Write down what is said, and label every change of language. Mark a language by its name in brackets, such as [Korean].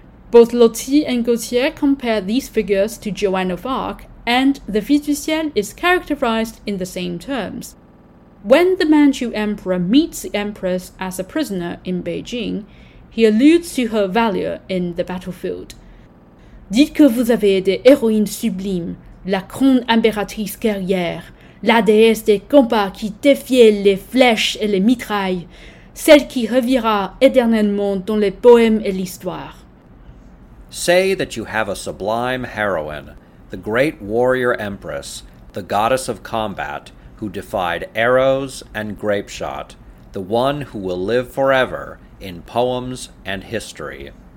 [English] Both Lotti and Gautier compare these figures to Joan of Arc, and the Fille du Ciel is characterized in the same terms. When the Manchu emperor meets the empress as a prisoner in Beijing, he alludes to her valor in the battlefield. [French] Dites que vous avez des héroïnes sublimes, la grande impératrice guerrière, la déesse des combats qui défiait les flèches et les mitrailles, celle qui revira éternellement dans les poèmes et l'histoire. [English] Say that you have a sublime heroine, the great warrior empress, the goddess of combat, who defied arrows and grapeshot, the one who will live forever in poems and history.